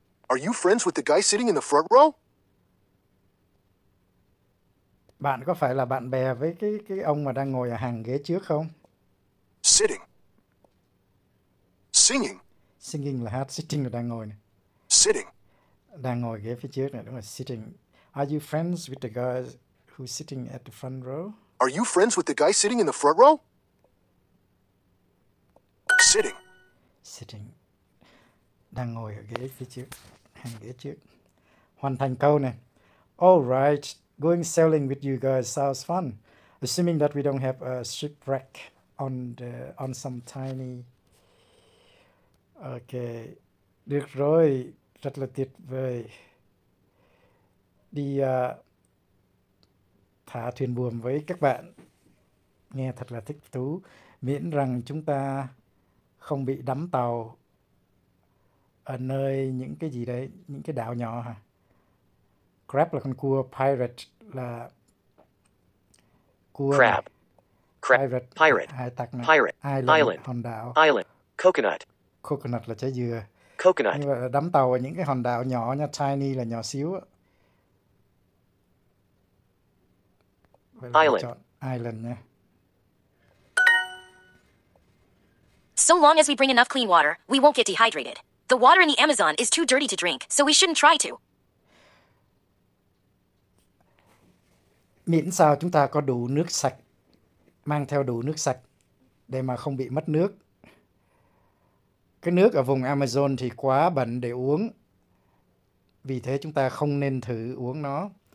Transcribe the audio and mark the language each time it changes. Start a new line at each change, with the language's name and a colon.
English: Are you friends with the guy sitting in the front row?
Vietnamese: Bạn có phải là bạn bè với cái ông mà đang ngồi ở hàng ghế trước không?
English: Sitting. Singing.
Vietnamese: Singing là hát, sitting là đang ngồi này.
English: Sitting.
Vietnamese: Đang ngồi ghế phía trước này, đúng rồi, sitting.
English: Are you friends with the guy who's sitting at the front row? Are you friends with the guy sitting in the front row? Sitting.
Vietnamese: Sitting, đang ngồi ở ghế phía trước, hàng ghế trước. Hoàn thành câu này.
English: All right, going sailing with you guys sounds fun. Assuming that we don't have a shipwreck on some tiny.
Vietnamese: Ok, được rồi, rất là tuyệt vời. Đi thả thuyền buồm với các bạn. Nghe thật là thích thú. Miễn rằng chúng ta không bị đắm tàu ở nơi những cái gì đấy, những cái đảo nhỏ hả? Crab là con cua, pirate là cua này.
English: Crab,
Vietnamese: Pirate là
English: pirate,
Vietnamese: hải tặc này.
English: pirate, Island, island,
Vietnamese: hòn đảo.
English: island, coconut,
Vietnamese: Coconut là trái dừa.
English: coconut.
Vietnamese: Như vậy là đắm tàu ở những cái hòn đảo nhỏ nha. Tiny là nhỏ xíu. Vậy là lựa
English: Island.
Vietnamese: chọn Island nha.
English: So long as we bring enough clean water, we won't get dehydrated. The water in the Amazon is too dirty to drink, so we shouldn't try to.
Vietnamese: Miễn sao chúng ta có đủ nước sạch, mang theo đủ nước sạch để mà không bị mất nước. Cái nước ở vùng Amazon thì quá bẩn để uống, vì thế chúng ta không nên thử uống nó.